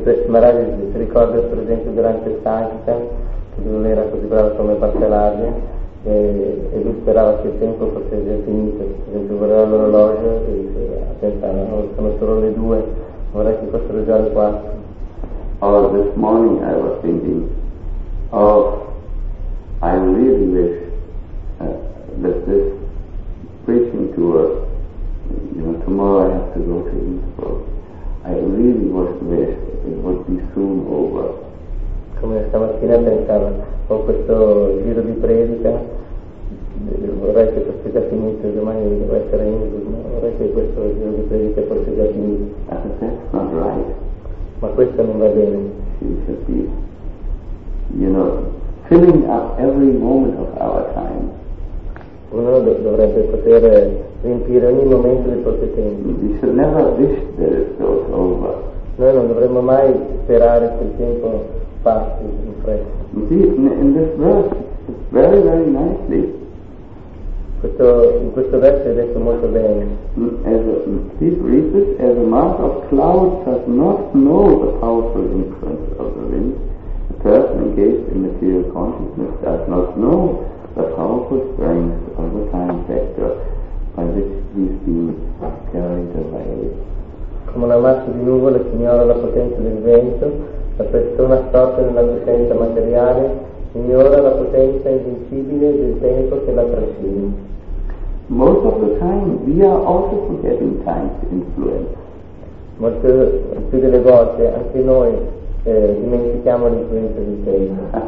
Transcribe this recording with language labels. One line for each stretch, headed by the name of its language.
Italian: Maharaj si ricorda per esempio durante Sankirtan che non era così bravo come Bhaktaradya e lui sperava che il tempo fosse già finito, per esempio guardava l'orologio e diceva, pensava, no, sono solo le 2, vorrei che fossero già le 4.
English: Oh, this morning I was thinking, oh, I really wish that this preaching tour, you know, tomorrow I have to go to Innsbruck. I really wish it would be soon over.
Italian: Come stamattina pensavo, ho questo giro di predica, vorrei che fosse già finito, domani devo essere in Innsbruck, ma vorrei che questo giro di predica fosse già finito.
English: That's not right.
Italian: Ma questo non va bene.
English: It should be, you know, filling up every moment of our time.
Italian: Uno dovrebbe poter riempire ogni momento del proprio tempo.
English: We should never wish that it goes over.
Italian: Noi non dovremmo mai sperare che il tempo passi in fretta.
English: See, in this verse, very, very nicely.
Italian: In questo verso è detto molto bene.
English: Please read this. As a mass of clouds does not know the powerful influence of the wind, a person engaged in material consciousness does not know the powerful strength of the time factor by which he is being carried away.
Italian: Come una massa di nuvole che ignora la potenza del vento, la persona assorta nella presenza materiale ignora la potenza invincibile del tempo che la trascina.
English: Most of the time we are also forgetting time's influence.
Italian: Molte più delle volte anche noi dimentichiamo l'influenza del tempo.